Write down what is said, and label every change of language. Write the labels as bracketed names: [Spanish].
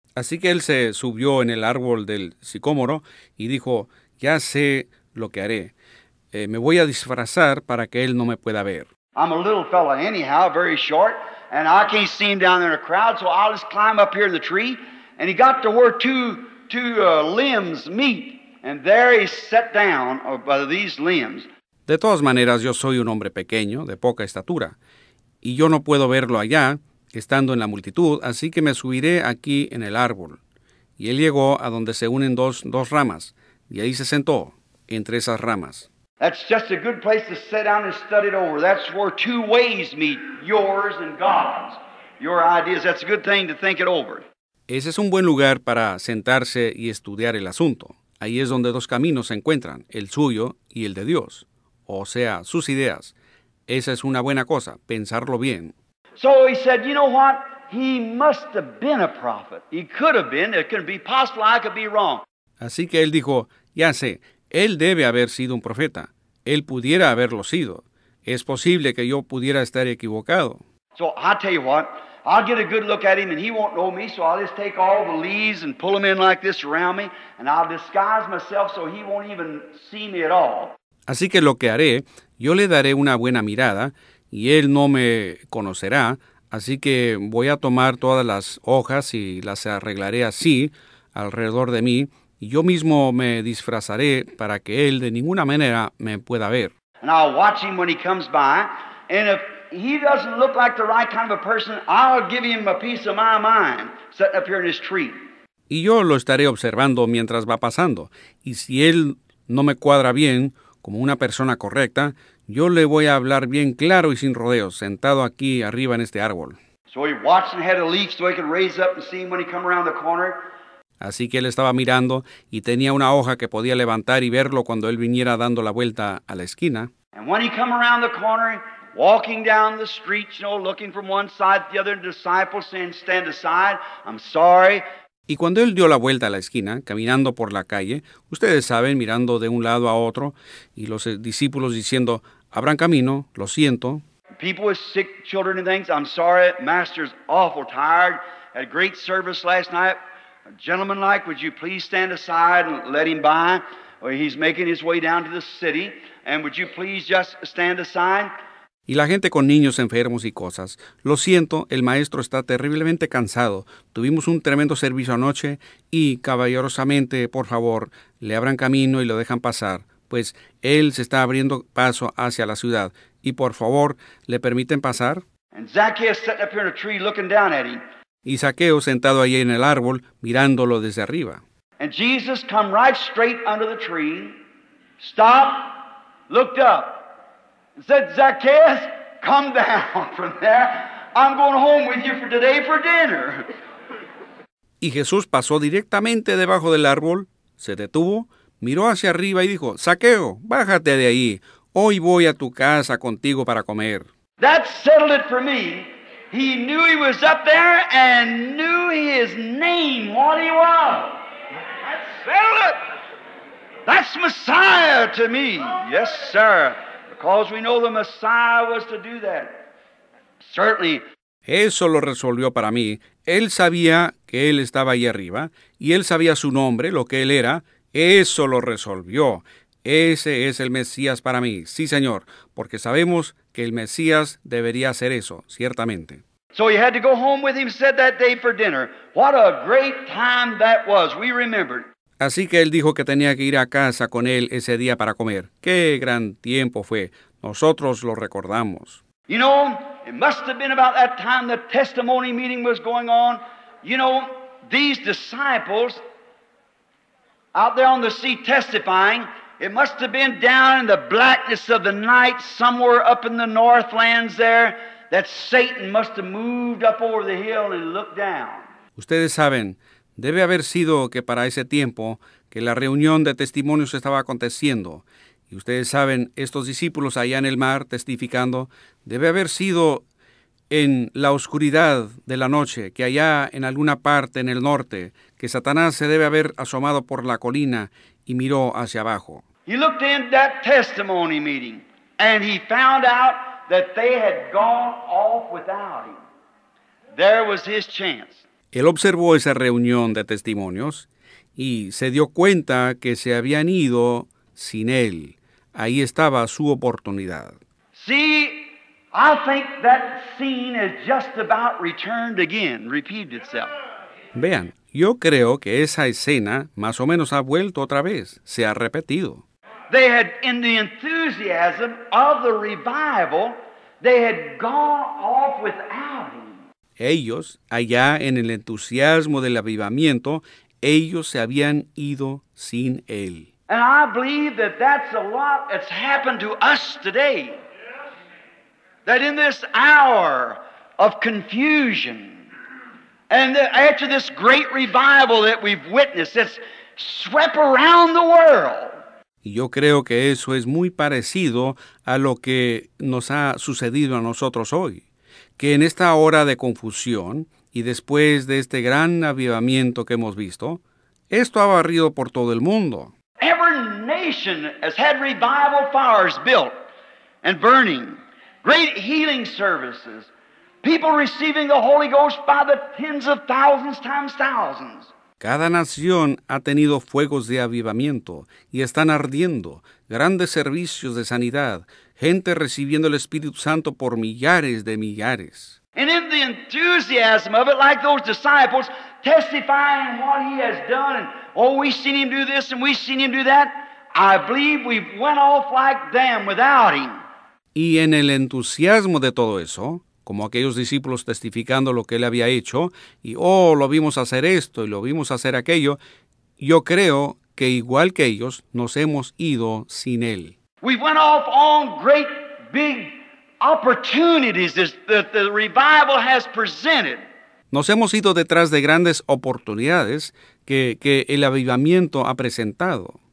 [Spanish] Así que él se subió en el árbol del sicómoro y dijo, ya sé lo que haré. Me voy a disfrazar para que él no me pueda ver. [English] I'm a little fella anyhow, very short, and I can't see him down there in a crowd, so I'll just climb up here in the tree. And he got to where two limbs meet, and there he sat down by these limbs. [Spanish] De todas maneras, yo soy un hombre pequeño, de poca estatura, y yo no puedo verlo allá, estando en la multitud, así que me subiré aquí en el árbol. Y él llegó a donde se unen dos ramas, y ahí se sentó. entre esas ramas. [English] That's just a good place to sit down and study it over. That's where two ways meet, yours and God's. Your ideas, that's a good thing to think it over. [Spanish] Ese es un buen lugar para sentarse y estudiar el asunto. Ahí es donde dos caminos se encuentran, el suyo y el de Dios. O sea, sus ideas. Esa es una buena cosa, pensarlo bien. [English] So he said, you know what? He must have been a prophet. He could have been. It could be possible. I could be wrong. [Spanish] Así que él dijo, ya sé, él debe haber sido un profeta. Él pudiera haberlo sido. Es posible que yo pudiera estar equivocado. [English] So I tell you what, I'll get a good look at him and he won't know me, so I'll just take all the leaves and pull them in like this around me and I'll disguise myself so he won't even see me at all. [Spanish] Así que lo que haré, yo le daré una buena mirada y él no me conocerá, así que voy a tomar todas las hojas y las arreglaré así alrededor de mí y yo mismo me disfrazaré para que él de ninguna manera me pueda ver. [English] And I'll watch him when he comes by and if he doesn't look like the right kind of a person, I'll give him a piece of my mind sitting up here in his tree. [Spanish] Y yo lo estaré observando mientras va pasando. Y si él no me cuadra bien como una persona correcta, yo le voy a hablar bien claro y sin rodeos, sentado aquí arriba en este árbol. [English] So he watched and had a leaf so he could raise up and see him when he come around the corner. [Spanish] Así que él estaba mirando y tenía una hoja que podía levantar y verlo cuando él viniera dando la vuelta a la esquina. [English] And when he come around the corner, walking down the street, you know, looking from one side to the other, and disciples saying, stand aside, I'm sorry. [Spanish] Y cuando él dio la vuelta a la esquina, caminando por la calle, ustedes saben, mirando de un lado a otro, y los discípulos diciendo, abran camino, lo siento. [English] People with sick children and things, I'm sorry, master's awful tired, had a great service last night. A gentleman like, would you please stand aside and let him by? Well, he's making his way down to the city, and would you please just stand aside? [Spanish] Y la gente con niños enfermos y cosas. Lo siento, el maestro está terriblemente cansado. Tuvimos un tremendo servicio anoche y caballerosamente, por favor, le abran camino y lo dejan pasar, pues él se está abriendo paso hacia la ciudad. Y por favor, ¿le permiten pasar? [English] And Zacchaeus sitting up here in a tree looking down at him. [Spanish] Y Zaqueo sentado allí en el árbol, mirándolo desde arriba. [English] And Jesus come right straight under the tree, stopped, looked up. Said, Zacchaeus, come down from there. I'm going home with you for today for dinner. [Spanish] Y Jesús pasó directamente debajo del árbol, se detuvo, miró hacia arriba y dijo, Zaqueo, bájate de ahí. Hoy voy a tu casa contigo para comer. [English] That settled it for me. He knew he was up there and knew his name, what he was. That settled it. That's Messiah to me. Yes, sir. Because we know the Messiah was to do that. Certainly. [Spanish] Eso lo resolvió para mí. Él sabía que él estaba ahí arriba, y él sabía su nombre, lo que él era. Eso lo resolvió. Ese es el Mesías para mí. Sí, Señor. Porque sabemos que el Mesías debería hacer eso, ciertamente. [English] So he had to go home with him, said that day for dinner. What a great time that was. We remembered. [Spanish] Así que él dijo que tenía que ir a casa con él ese día para comer. ¡Qué gran tiempo fue! Nosotros lo recordamos. [English] You know, it must have been about that time the testimony meeting was going on. You know, these disciples out there on the sea testifying, it must have been down in the blackness of the night somewhere up in the northlands there that Satan must have moved up over the hill and looked down. [Spanish] Ustedes saben, debe haber sido que para ese tiempo que la reunión de testimonios estaba aconteciendo. Y ustedes saben, estos discípulos allá en el mar testificando, debe haber sido en la oscuridad de la noche que allá en alguna parte en el norte que Satanás se debe haber asomado por la colina y miró hacia abajo. [English] He looked in that testimony meeting and he found out that they had gone off without him. There was his chance. [Spanish] Él observó esa reunión de testimonios y se dio cuenta que se habían ido sin él. Ahí estaba su oportunidad. [English] See, I think that scene has just about returned again, repeated itself. [Spanish] Vean, yo creo que esa escena más o menos ha vuelto otra vez, se ha repetido. [English] They had, in the enthusiasm of the revival, they had gone off without him. [Spanish] Ellos, allá en el entusiasmo del avivamiento, ellos se habían ido sin él. [English] And I believe that that's a lot that's happened to us today. That in this hour of confusion, and after this great revival that we've witnessed, it's swept around the world. [Spanish] Y yo creo que eso es muy parecido a lo que nos ha sucedido a nosotros hoy. Que en esta hora de confusión y después de este gran avivamiento que hemos visto, esto ha barrido por todo el mundo. [English] Every nation has had revival fires built and burning. Great healing services. People receiving the Holy Ghost by the tens of thousands times thousands. [Spanish] Cada nación ha tenido fuegos de avivamiento y están ardiendo. Grandes servicios de sanidad, gente recibiendo el Espíritu Santo por millares de millares. [English] And in the enthusiasm of it, like those disciples testifying what he has done, and oh, we've seen him do this and we've seen him do that, I believe we've went off like them without him. [Spanish] Y en el entusiasmo de todo eso, como aquellos discípulos testificando lo que él había hecho, y oh, lo vimos hacer esto y lo vimos hacer aquello, yo creo que igual que ellos, nos hemos ido sin él. [English] We went off on great big opportunities that the revival has presented. [Spanish] Nos hemos ido detrás de grandes oportunidades que el avivamiento ha presentado.